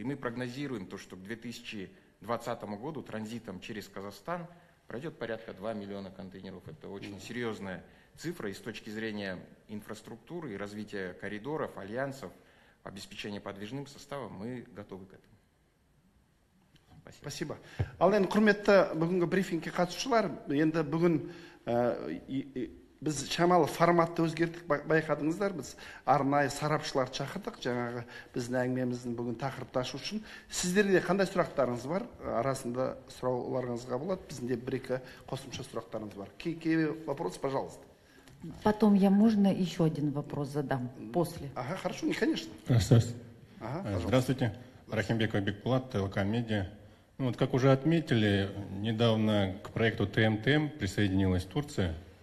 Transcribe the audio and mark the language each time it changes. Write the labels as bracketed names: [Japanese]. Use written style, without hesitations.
[Russian] И мы прогнозируем то, что к 2020 году транзитом через Казахстан пройдет порядка 2 миллиона контейнеров. Это очень серьезная цифра. И с точки зрения инфраструктуры и развития коридоров, альянсов, обеспечения подвижным составом, мы готовы к этому. Спасибо. Спасибо. [Kazakh] Алан, құрметті бүгінгі брифингке қатысушылар, енді бүгін біз шамалы форматты өзгерттік, байқадыңыздар, біз арнайы сарапшылар шақырдық, жаңағы біздің әңгімеміздің бүгін тақырып ташу үшін. Сіздерде қандай сұрақтарыңыз бар? Арасында сұрауларыңызға болады, бізінде бір-екі қосымша сұрақтарыңыз бар. [Russian] Кей-кей вопрос, пожалуйста. Потом я можно еще один вопрос задам, после? Ага, хорошо, не, конечно. Здравствуйте. Ага, здравствуйте. Рахимбеков Бекпулат, ТЛК Медиа. Ну, вот как уже отметили, недавно к проекту ТМТМ присоединилась Турция.